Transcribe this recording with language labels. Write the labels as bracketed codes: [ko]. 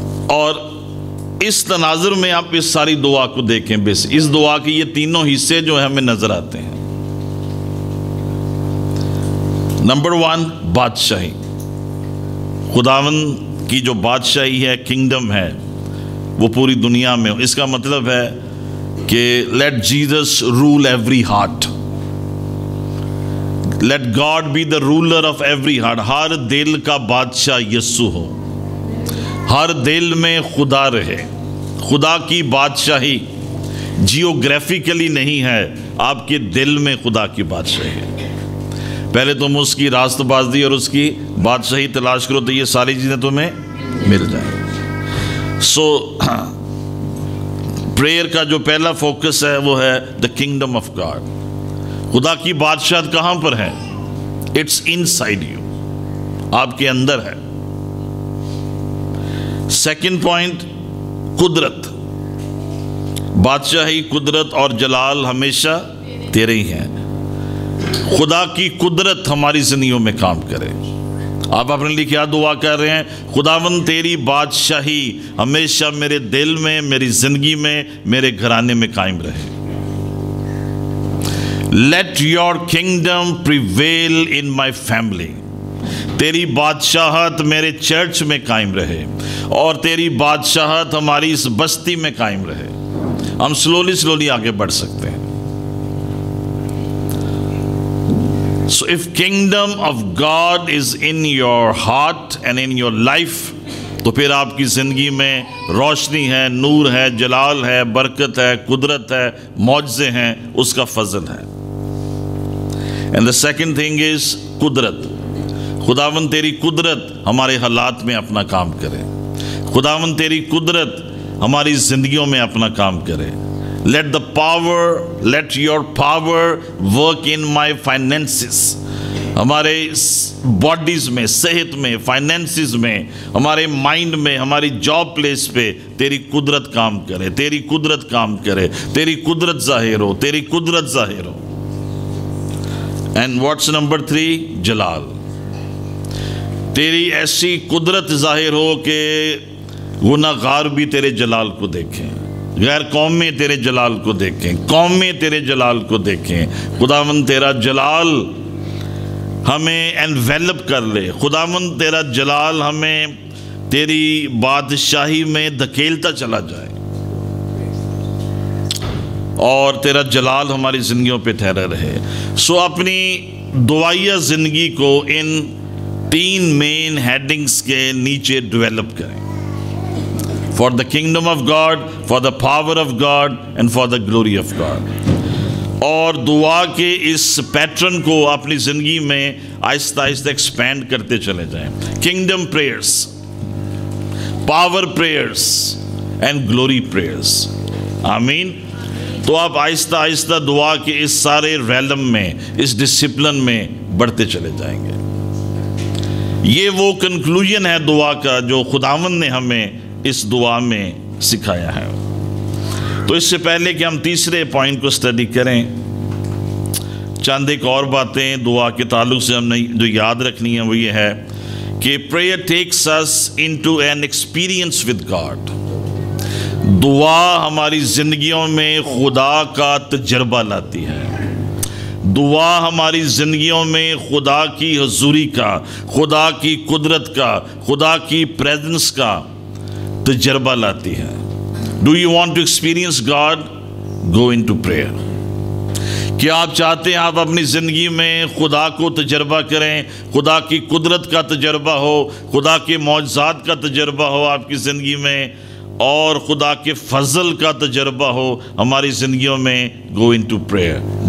[ur] اور اس تناظر میں آپ اس ساری دعا کو دیکھیں بس اس دعا کے یہ تینوں حصے جو ہمیں نظر آتے ہیں نمبر ون بادشاہی خداوند کی جو بادشاہی ہے کنگڈم ہے وہ پوری دنیا میں اس کا مطلب ہے کہ [en] let Jesus rule every heart. Let God be the ruler of every heart. [ur] ہر دل کا بادشاہ یسوع ہو ہر دل میں خدا رہے خدا کی بادشاہی جیوگرافیکلی نہیں ہے آپ کے دل میں خدا کی بادشاہی پہلے تم اس کی راست بازی اور اس کی بادشاہی تلاش کرو تو یہ ساری چیزیں تمہیں مل جائیں سو پریئر کا جو پہلا فوکس ہے وہ ہے [en] the kingdom of God [ur] خدا کی بادشاہت کہاں پر ہے [en] it's inside you [ur] آپ کے اندر ہے سیکنڈ پوائنٹ قدرت بادشاہی قدرت اور جلال ہمیشہ تیرے ہی ہیں خدا کی قدرت ہماری زندگیوں میں کام کرے آپ اپنے لیے کیا دعا کر رہے ہیں؟ خداوند تیری بادشاہی ہمیشہ میرے دل میں، میری زندگی میں، میرے گھرانے میں قائم رہے. [en] Let your kingdom prevail in my family. [ur] تیری بادشاہت میرے چرچ میں قائم رہے اور تیری بادشاہت ہماری اس بستی میں قائم رہے. ہم [en] slowly slowly [ur] آگے بڑھ سکتے ہیں. [en] So if kingdom of God is in your heart and in your life, [ur] تو پھر آپ کی زندگی میں روشنی ہے، نور ہے، جلال ہے، برکت ہے، قدرت ہے، معجزے ہیں، اس کا فضل ہے. [en] And the second thing is قدرت. [ur] خداوند تیری قدرت ہمارے حالات میں اپنا کام کرے. خداوند تیری قدرت ہماری زندگیوں میں اپنا کام کرے. [en] Let your power work in my finances. [ur] ہمارے باڈیز میں، صحت میں، فائنینسز میں، ہمارے مائنڈ میں، ہماری جاب پلیس پہ تیری قدرت کام کرے. تیری قدرت کام کرے. تیری قدرت ظاہر ہو. تیری قدرت ظاہر ہو. [en] And what's number three? جلال. [ur] تیری ایسی قدرت ظاہر ہو کہ گناہ گار بھی تیرے جلال کو دیکھیں، غیر قوم میں تیرے جلال کو دیکھیں، قوم میں تیرے جلال کو دیکھیں. خداوند تیرا جلال ہمیں انویلپ کر لے. خداوند تیرا جلال ہمیں تیری بادشاہی میں دھکیلتا چلا جائے اور تیرا جلال ہماری زندگیوں پہ ٹھہرا رہے. سو اپنی دعائیہ زندگی کو ان تین مین ہیڈنگز کے نیچے ڈیولپ کریں. [en] For the kingdom of God, for the power of God, and for the glory of God. [ur] اور دعا کے اس پیٹرن کو اپنی زندگی میں آہستہ آہستہ ایکسپینڈ کرتے چلے جائیں. [en] Kingdom prayers, power prayers, and glory prayers. [ur] آمین. تو آپ آہستہ آہستہ دعا کے اس سارے ریلم میں، اس ڈسپلن میں بڑھتے چلے جائیں گے. یہ وہ کنکلوژن ہے دعا کا جو خداوند نے ہمیں اس دعا میں سکھایا ہے. تو اس سے پہلے کہ ہم تیسرے پوائنٹ کو سٹڈی کریں، چند ایک اور باتیں دعا کے تعلق سے ہم نے جو یاد رکھنی ہے وہ یہ ہے کہ [en] Prayer takes us into an experience with God. [ur] دعا ہماری زندگیوں میں خدا کا تجربہ لاتی ہے. دعا ہماری زندگیوں میں خدا کی حضوری کا، خدا کی قدرت کا، خدا کی پریزنس کا تجربہ لاتی ہے. [en] Do you want to experience God? Go into prayer. [ur] کیا آپ چاہتے ہیں آپ اپنی زندگی میں خدا کو تجربہ کریں، خدا کی قدرت کا تجربہ ہو، خدا کے معجزات کا تجربہ ہو آپ کی زندگی میں، اور خدا کے فضل کا تجربہ ہو ہماری زندگیوں میں؟ [en] Go into prayer.